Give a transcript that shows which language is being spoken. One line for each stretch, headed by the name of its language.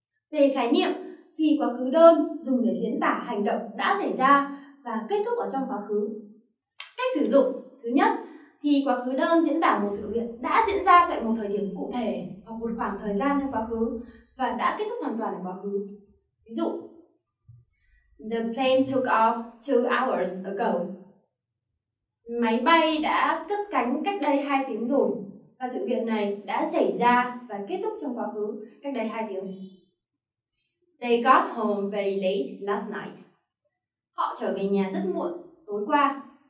Vietnamese: Về khái niệm, thì quá khứ đơn dùng để diễn tả hành động đã xảy ra và kết thúc ở trong quá khứ. Cách sử dụng, thứ nhất, thì quá khứ đơn diễn tả một sự việc đã diễn ra tại một thời điểm cụ thể hoặc một khoảng thời gian trong quá khứ và đã kết thúc hoàn toàn ở quá khứ. Ví dụ,
English: the plane took off 2 hours ago.
Vietnamese: Máy bay đã cất cánh cách đây 2 tiếng rồi và sự việc này đã xảy ra và kết thúc trong quá khứ cách đây 2 tiếng.
English: They got home very late last night.
Vietnamese: Họ trở về nhà rất muộn tối qua.